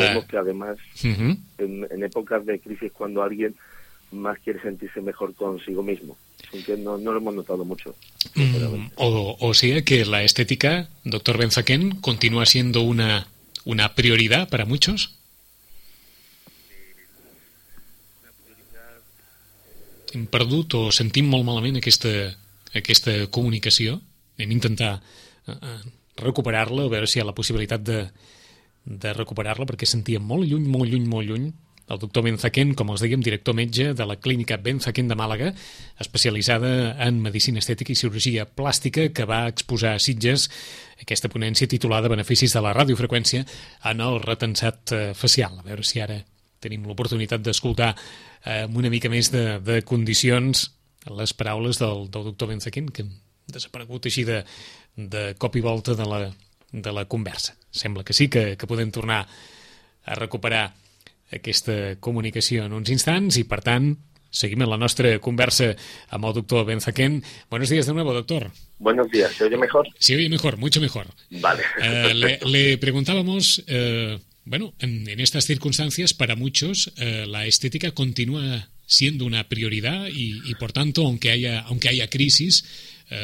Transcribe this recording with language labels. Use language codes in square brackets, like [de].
[es] Vemos que además, en épocas de crisis, cuando alguien más quiere sentirse mejor consigo mismo. Aunque no lo hemos notado mucho. O sea que la estética, doctor Benzaquen, continúa siendo una prioridad para muchos. [ca] Hem perdut o sentim molt malament aquesta comunicació. Hem intentat recuperar-la, a veure si hi ha la possibilitat de recuperar-la, perquè sentia molt lluny, molt lluny, molt lluny el doctor Benzaquen, com els dèiem, director metge de la clínica Benzaquen de Màlaga, especialitzada en medicina estètica i cirurgia plàstica, que va exposar a Sitges aquesta ponència titulada Beneficis de la radiofreqüència en el retensat facial. A veure si ara tenim l'oportunitat d'escoltar amb una mica més de condicions les paraules del doctor Benzaquen, que han desaparegut així de cop i volta de la conversa. Sembla que sí, que podem tornar a recuperar aquesta comunicació en uns instants i, per tant, seguim en la nostra conversa amb el doctor Benzaquen. [es] Buenos días de nuevo, doctor. Buenos días. ¿Se oye mejor? Sí, oye mejor, mucho mejor. Vale. Le preguntábamos, bueno, en estas circunstancias, para muchos, la estética continúa siendo una prioridad y por tanto, aunque haya crisis...